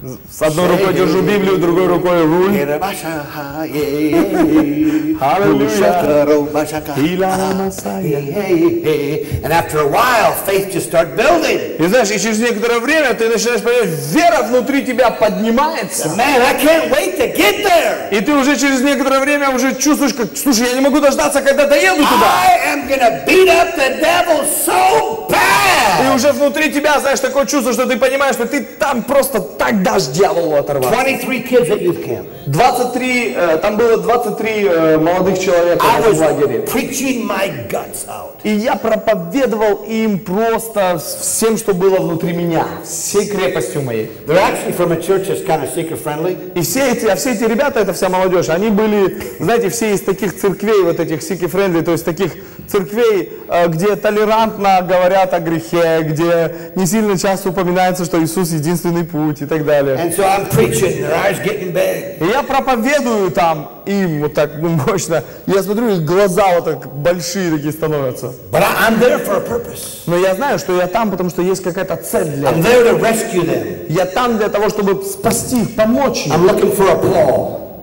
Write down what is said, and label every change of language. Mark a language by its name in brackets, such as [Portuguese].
[Russian] С одной рукой держу Библию, другой рукой руль. [English] And after a while, faith just starts building. [Russian] И знаешь, и через некоторое время ты начинаешь понимать, вера внутри тебя поднимается. [English] Man, I can't wait to get there. [Russian] И ты уже через некоторое время уже чувствуешь, как, слушай, я не могу дождаться, когда доеду туда. [English] I am gonna beat up the devil so bad. [Russian] И уже внутри тебя, знаешь, такое чувство, что ты понимаешь, что ты там просто так дашь дьяволу оторваться. [English] 23 kids at youth camp. [Russian] 23, там было 23 молодых человека в лагере. [English] Preaching my guts out. [Russian] И я проповедовал им просто всем, что было внутри меня, всей крепостью моей. [English] They're actually from a church that's kind of seeker friendly. [Russian] И все эти ребята, это вся молодежь, они были, знаете, все из таких церквей, вот этих [English] seeker friendly, [Russian] то есть таких церквей, где толерантно говорят о грехе, где не сильно часто упоминается, что Иисус единственный путь и так далее. [English] And so I'm preaching, their eyes getting big. [Russian] Я проповедую там им вот так, ну, мощно. Я смотрю, их глаза вот так большие такие становятся. [English] But I'm there for a purpose. [Russian] Но я знаю, что я там, потому что есть какая-то цель для [English] I'm there to rescue them. [Russian] Я там для того, чтобы спасти их, помочь им. [English] I'm looking for a Paul.